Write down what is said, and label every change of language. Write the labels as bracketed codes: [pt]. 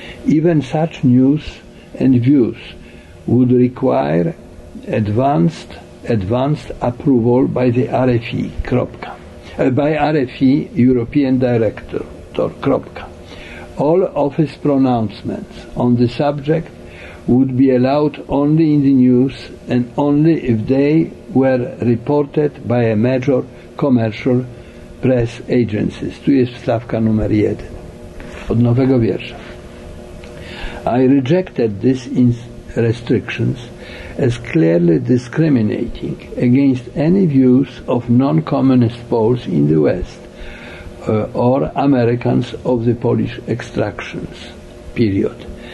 [en] Even such news and views would require advanced approval by the RFE, by RFE European Director, [pl] kropka. [en] All office pronouncements on the subject would be allowed only in the news and only if they were reported by a major commercial press agencies. [pl] Tu jest wstawka numer jeden od nowego wiersza. [en] I rejected these restrictions as clearly discriminating against any views of non-communist Poles in the West or Americans of the Polish extractions, period.